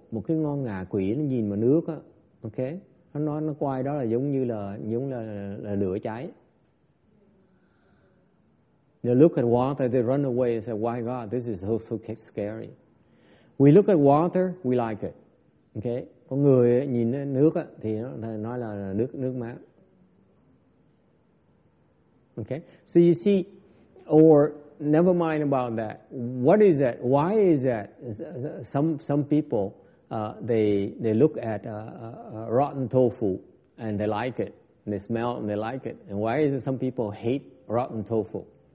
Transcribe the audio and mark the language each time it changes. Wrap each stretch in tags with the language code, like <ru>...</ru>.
<vi>Một cái ngon ngà quỷ nó nhìn vào nước á, ok? Nó quay đó là giống như là lửa cháy.</vi> <en>They look at water, they run away and say, "Why God, this is so scary." We look at water, we like it. Ok?</en> <vi>Có người nhìn nước á thì nói là nước mát.</vi> <en>Okay, so you see, or never mind about that. What is that? Why is that? Some people they look at rotten tofu and they like it. They smell and they like it. And why is it some people hate rotten tofu?</en>